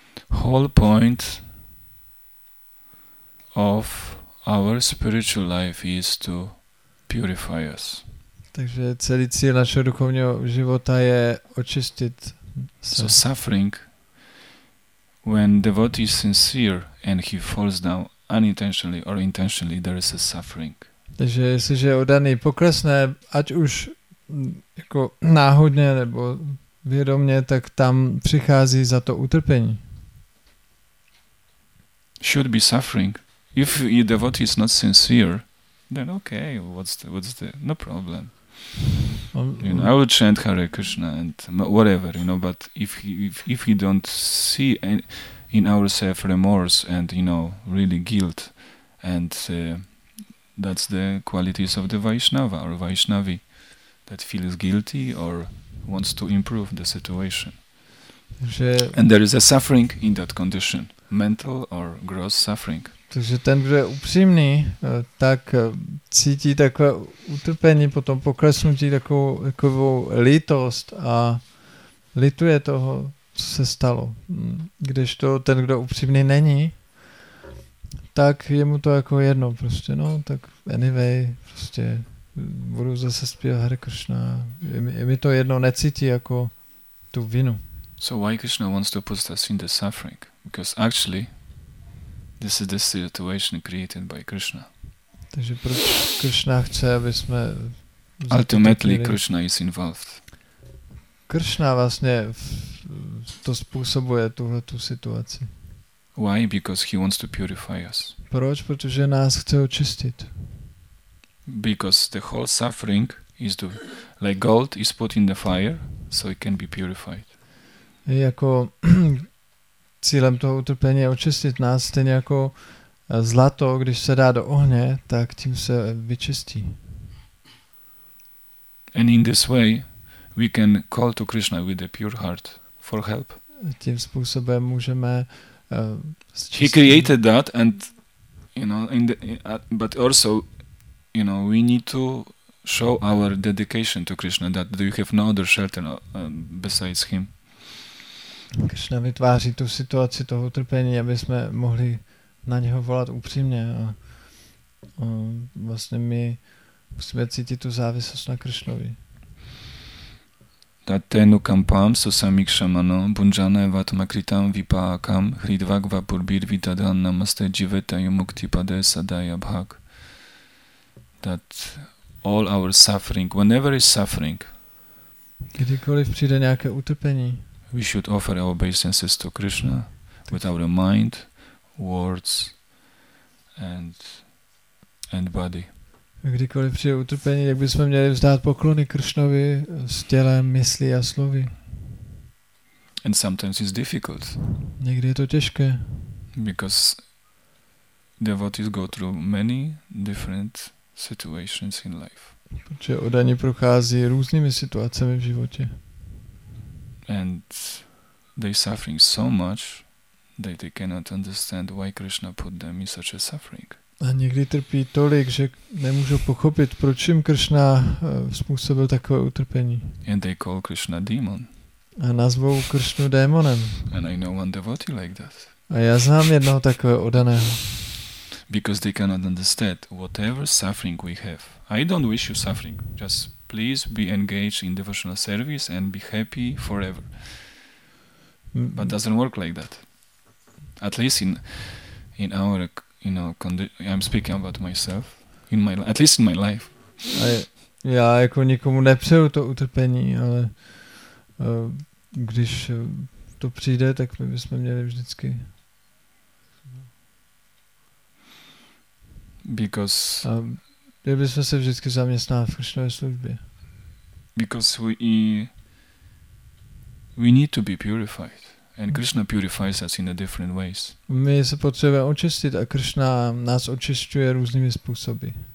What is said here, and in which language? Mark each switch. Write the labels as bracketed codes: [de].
[en] Whole point of our spiritual life is to purify us. [cs] Takže celý cíl našeho duchovního života je očistit se. [en] So suffering, when devotee is sincere and he falls down unintentionally or intentionally, there is a suffering. [cs] Takže jestliže oddaný poklesne, ať už jako náhodně nebo vědomně, tak tam přichází za to utrpení. [en] Should be suffering. If your devotee is not sincere, then okay, what's the no problem. You know, I will chant Hare Krishna and whatever, you know, but if he don't see in ourselves remorse and, you know, really guilt, and that's the qualities of the Vaishnava or Vaishnavi that feels guilty or wants to improve the situation. And there is a suffering in that condition, mental or gross suffering. [cs] Takže ten, kdo je upřímný, tak cítí takové utrpení, potom poklesnutí, takovou lítost a lituje toho, co se stalo. Když to ten, kdo upřímný není, tak je mu to jako jedno, prostě, no, tak anyway, prostě budu zase zpívat Hare Krishna. Je mi to jedno, necítí jako tu vinu. [en] So why Krishna wants to put us in the suffering? Because actually, this is the situation created by Krishna. [cs] Takže proč Krishna chce, aby jsme [en] ultimately Krishna is involved. [cs] Krishna vlastně to způsobuje tuhle tu situaci. [en] Why? Because he wants to purify us. [cs] Proč? Protože nás chce očistit. [en] Because the whole suffering is to, like gold is put in the fire, so it can be purified. [cs] Jako cílem toho utrpení je očistit nás, stejně jako zlato, když se dá do ohně, tak tím se vyčistí. [en] And in this way we can call to Krishna with a pure heart for help. [cs] Tím způsobem můžeme [en] He created that and you know in the but also you know we need to show our dedication to Krishna that do you have no other shelter besides him. [cs] Krishna vytváří tu situaci toho utrpení, aby jsme mohli na něho volat upřímně a vlastně my musíme cítit tu závislost na Krishnovi. [sa] Tatenu kampam susamikshamano bunjana vatmakritam vipakam hridvagva purbir vitadhan namaste jivetayu mukti pade sadaya bhag. [en] That all our suffering, whenever is suffering, [cs] Kdykoliv přijde nějaké utrpení. [en] We should offer our obeisances to Krishna with our mind, words and body. [cs] Kdykoliv přijde utrpení, tak bychom měli vzdát poklony Krishnovi s tělem, myslí a slovy. [en] And sometimes it's difficult. [cs] Někdy je to těžké. [en] Because devotees go through many different situations in life. [cs] Protože oddaní prochází různými situacemi v životě. [en] And they suffering so much that they cannot understand why Krishna put them in such a suffering. [cs] A někdy trpí tolik, že nemůžou pochopit, proč jim Krishna způsobil takové utrpení. [en] And they call Krishna demon. [cs] A nazvou Krishnu démonem. [en] And I know one devotee like that. [cs] A já znám jednoho takového oddaného. [en] Because they cannot understand whatever suffering we have. I don't wish you suffering. Just please be engaged in devotional service and be happy forever. But doesn't work like that. At least in our, you know, I'm speaking about myself. In my, at least in my life. [cs] Já jako nikomu nepřeju to utrpení, ale když to přijde, tak my bychom měli vždycky. [en] Because [cs] měli bychom se vždycky zaměstnávat v Krishnově službě. [en] Because we need to be purified. And Krishna purifies us in a different ways. [cs] My se potřebujeme očistit a Krishna nás očišťuje různými způsoby.